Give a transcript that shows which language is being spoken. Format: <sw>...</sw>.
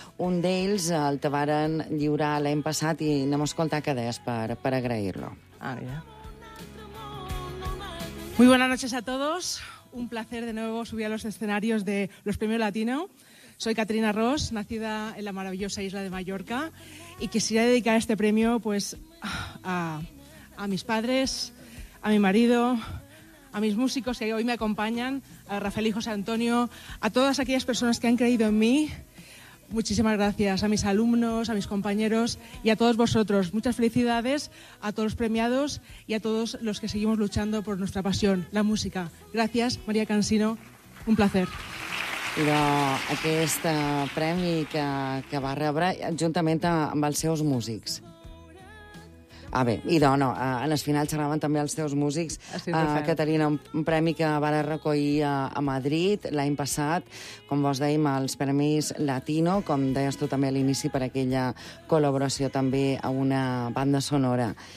<ca>Un d'ells el te varen lliurar l'any passat i anem a escoltar què des per agrair-lo. Ah, ja.</ca> <es>Muy buenas noches a todos. Un placer de nuevo subir a los escenarios de los Premios Latino. Soy Caterina Ross, nacida en la maravillosa isla de Mallorca, y quisiera dedicar este premio pues a mis padres, a mi marido, a mis músicos que hoy me acompañan, a Rafael y José Antonio, a todas aquellas personas que han creído en mí. Muchísimas gracias a mis alumnos, a mis compañeros y a todos vosotros. Muchas felicidades a todos los premiados y a todos los que seguimos luchando por nuestra pasión, la música. Gracias, María Cansino. Un placer.</es> <ca>Però aquest premi que va rebre juntament amb els seus músics. Ah, bé, idò, no, en el final xerraven també els teus músics. Caterina, un premi que va recollir a Madrid l'any passat, com vos dèiem, els Premis Latino, com deies tu també a l'inici, per aquella col·laboració també a una banda sonora.</ca>